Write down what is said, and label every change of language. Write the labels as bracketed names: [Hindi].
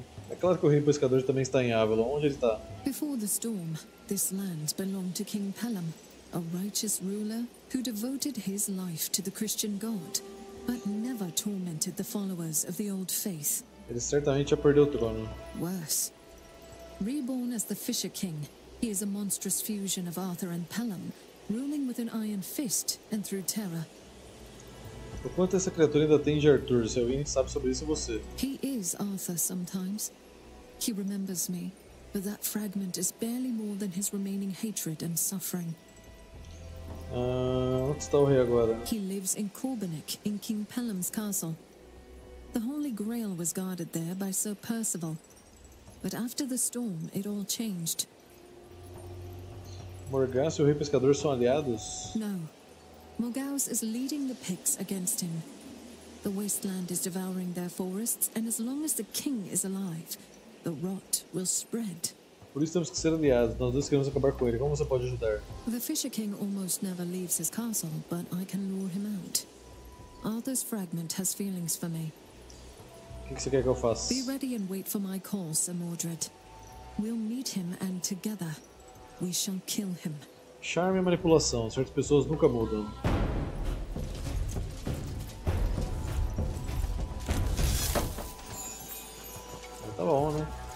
[Portuguese] É claro que o rei pescador também está em Avalon. Onde ele está? [English] Before the storm, this land belonged to King Pelham, a righteous ruler who devoted his life to the Christian God, but never tormented the followers of the old faith. [Portuguese] Ele certamente já perdeu o trono. [English] Worse, reborn as the Fisher King, he is a monstrous fusion of Arthur and Pelham, ruling with an iron fist and through terror. [Portuguese] O quanto essa criatura ainda tem de Arthur? Se alguém sabe sobre isso, é você. [English] He is Arthur sometimes. He remembers me, but that fragment is barely more than his remaining hatred and suffering. [Portuguese] Onde está o rei agora? [English] He lives in Corbenic, in King Pelham's castle. The Holy Grail was guarded there by Sir Percival, but after the storm, it all changed. [Portuguese] Morgas e o rei pescador são aliados? [English] No. Morgause is leading the Picts against him. The wasteland is devouring their forests, and as long as the king is alive, the rot will spread. [Portuguese] Por isso temos que ser aliados. Nós dois queremos acabar com ele. Como você pode ajudar? [English] The Fisher King almost never leaves his castle, but I can lure him out. Arthur's fragment has feelings for me. [Portuguese] O que você quer que eu faça? [English] Be ready and wait for my call, Sir Mordred. We'll meet him, and together, we shall kill him. [Portuguese] Charme e manipulação. Certas pessoas nunca mudam. Mas tá bom, né?